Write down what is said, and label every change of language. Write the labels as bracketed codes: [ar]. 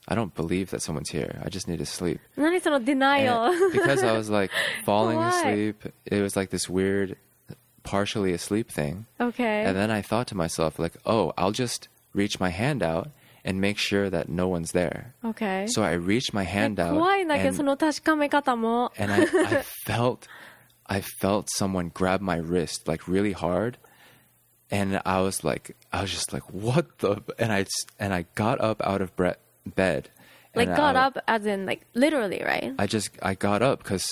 [en] I don't believe that someone's here. I just need to sleep. [ja] 何その denial? [en] Because I was like falling asleep. It was like this weird, partially asleep thing. Okay. And then I thought to myself, like, oh, I'll just reach my hand out and make sure that no one's there. Okay. So I reached my hand out. [ja] 怖いんだけど、その確かめ方も。 [en] And I felt someone grab my wrist like really hard. And I was just like, what the? And I got up out of bed. Like got up as in like literally, right? I got up because